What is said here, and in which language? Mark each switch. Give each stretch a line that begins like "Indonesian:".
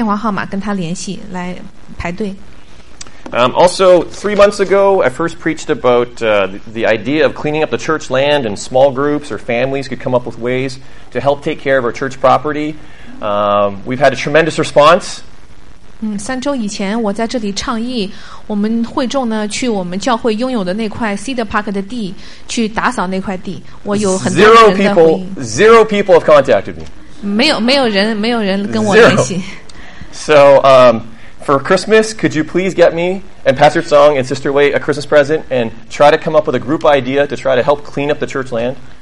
Chinese: 如果青少年父母想跟我进行一对一的会晤的话呢，现在有一个等待的单子，请跟Lorena再用这个电话号码跟他联系来排队。
English: Also, 3 months ago, I first preached about the idea of cleaning up the church land, and small groups or families could come up with ways to help take care of our church property. We've had a tremendous response.
Chinese: 3周以前我在这里倡议我们会众呢去我们教会拥有的那块 Cedar Park 的地去打扫那块地，我有很多人的回应。
English: Zero people have contacted me.
Chinese: 没有人跟我联系。
English: So, for Christmas, could you please get me and Pastor Tsong and Sister Wei a Christmas present and try to come up with a group idea to try to help clean up the church land?